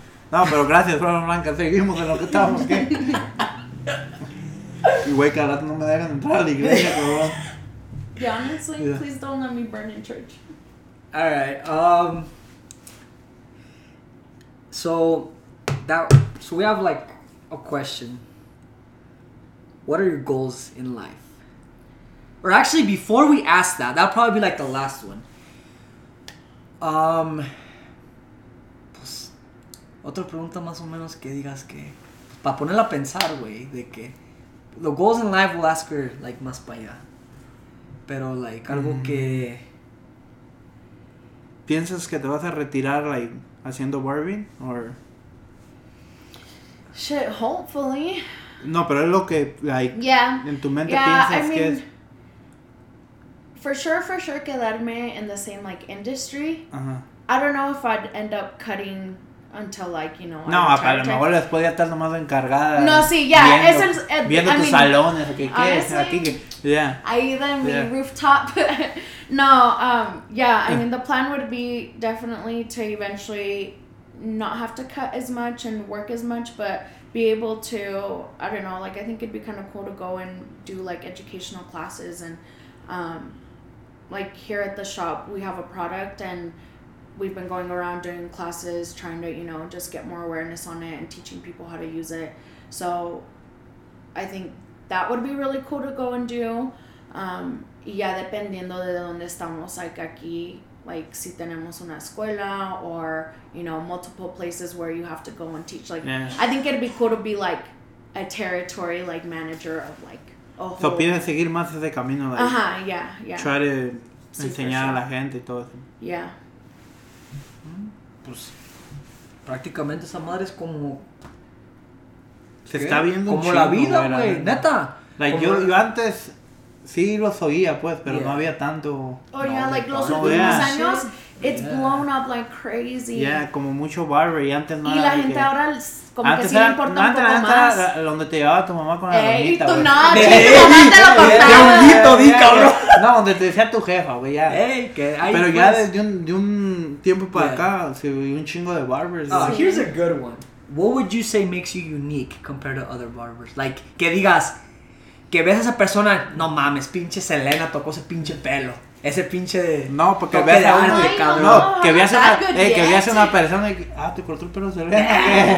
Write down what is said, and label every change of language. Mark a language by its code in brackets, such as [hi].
[es] No, pero gracias, Flama Blanca. Seguimos en lo que estábamos. ¿Qué? Y güey, cada rato no me dejan entrar a la iglesia, cabrón. [en] Yeah, honestly, please don't let me burn in church. Alright, So we have, like, a question. What are your goals in life? Or actually, before we ask that, that'll probably be like the last one. [es] Pues, otra pregunta más o menos que digas que... Pues, para ponerla a pensar, güey, de que... [en] The goals in life will ask her, like, [es] más para allá. Pero, [en] like, [es] algo que... ¿Piensas que te vas a retirar, [en] like, [es] haciendo Barbie? [en] Or... Shit, hopefully. [es] No, pero es lo que, [en] like, yeah. [es] En tu mente [en] yeah, [es] piensas [en] I mean, [es] que es... [en] For sure, [es] quedarme [en] in the same, like, industry. Uh-huh. I don't know if I'd end up cutting until, like, you know... [es] No, a lo mejor después ya estás nomás encargada. No, sí, [en] yeah. [es] Viendo, es el, viendo tus salones, ¿qué es? [en] Honestly, [es] ahí de mi rooftop. [en] No, yeah, I mean, the plan would be definitely to eventually not have to cut as much and work as much, but... Be able to, I don't know, like, I think it'd be kind of cool to go and do, like, educational classes and, like, here at the shop, we have a product and we've been going around doing classes, trying to, you know, just get more awareness on it and teaching people how to use it. So, I think that would be really cool to go and do. Yeah, [es] dependiendo de donde estamos, [en] like, [es] aquí, [en] like, [es] si tenemos una escuela [en] or, you know, multiple places where you have to go and teach. Like, yeah. I think it'd be cool to be, like, a territory, like, manager of, like, a whole... So, [es] piensas seguir más ese camino, like... [en] Uh-huh, yeah, yeah. Try to [es] sí, enseñar [en] sure. [es] a la gente y todo eso. [en] Yeah. [es] Pues, prácticamente esa madre es como... Se ¿qué? Está viendo como la vida, güey, neta. [en] Like, [es] yo antes... Sí, los oía, pues, pero no había tanto... [en] Oh, yeah, like, [es] los últimos años, [en] it's blown up like crazy. [es] Yeah, como mucho Barbie, y antes no era... Y la gente ahora, como que sí le importa un poco más. Antes era donde te llevaba tu mamá con la lonjita, güey. Ey, tú no, chico, mamá te lo contaba. De lonjito, di, cabrón. No, donde te decía tu jefa, güey, ya. Ey, que hay... Pero ya desde un tiempo para acá, se vio un chingo de barbers. [en] Oh, here's a good one. What would you say makes you unique compared to other barbers? [es] Like, que digas... Que ves a esa persona, no mames, pinche Selena tocó ese pinche pelo. Ese pinche de... No, porque veas a una... No, que veas a una, que veas a una persona y... Ah, te cortó el pelo Selena.